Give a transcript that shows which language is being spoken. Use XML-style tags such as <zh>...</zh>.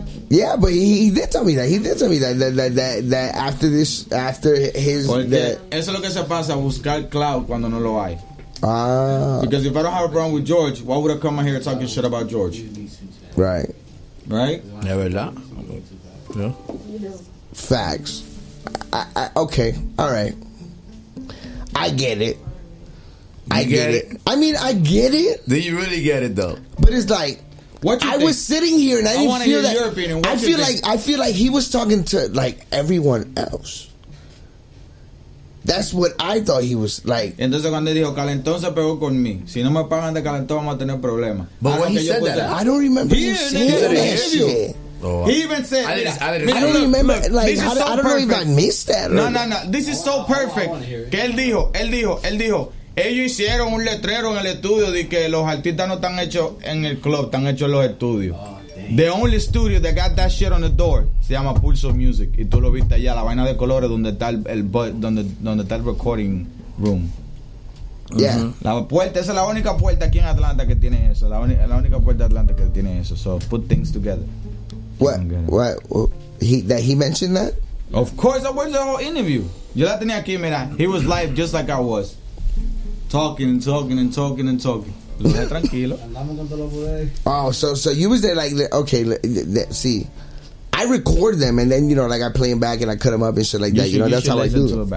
<en>Yeah, but he did tell me that after this, after his...</en> <es>Eso es lo que se pasa, buscar clout cuando no lo hay. Ah.</es> <en>Because if I don't have a problem with George, why would I come out here talking shit about George? Right. Right? Yeah, verdad. Yeah. Facts. Okay, all right. I get it. I get it. I mean, I get it. Do you really get it, though? But it's like, what you I think? Was sitting here and I didn't feel that. Your opinion. What I feel like think? I feel like he was talking to like everyone else. That's what I thought he was like.</en> <es>Entonces cuando dijo calentón se pegó con mí. Si no me pagan de calentón vamos a tener problemas.</es> <en>But when he said that, I don't remember him saying that shit. Oh, wow. He even said, I don't remember, I don't know if I missed that. No, no, no. This is so perfect.</en> <es>Que él dijo, ellos hicieron un letrero en el estudio de que los artistas no están hechos en el club, están hechos en los estudios.</es> <en>The only studio that got that shit on the door</en> <es>se llama Pulso Music. Y tú lo viste allá, la vaina de colores donde está el recording room.</es> <en>Yeah.</en> <es>La puerta, esa es la única puerta aquí en Atlanta que tiene eso. La única puerta de Atlanta que tiene eso.</es> <en>So put things together. He mentioned that? Of course, I watched the whole interview.</en> <es>Yo la tenía aquí, mira.</es> <en>He was live just like I was. Talking. Tranquilo. Oh, so you was there like, okay, see. I record them and then, you know, like I play them back and I cut them up and shit like that. You know, that's how I do.</en>